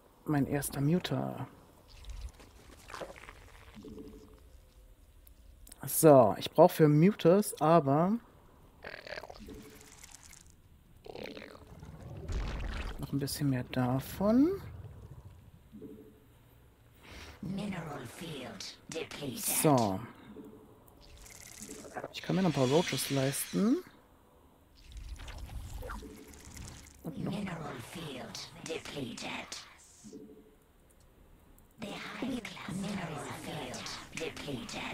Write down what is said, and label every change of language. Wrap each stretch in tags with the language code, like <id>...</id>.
<de>Mein erster Muter. So, ich brauche für Muters, aber... noch ein bisschen mehr davon.</de> <en>Mineral field depleted. So.</en> <de>Ich kann mir noch ein paar Roaches leisten.</de> <en>Mineral field depleted. The high class mineral field depleted.</en>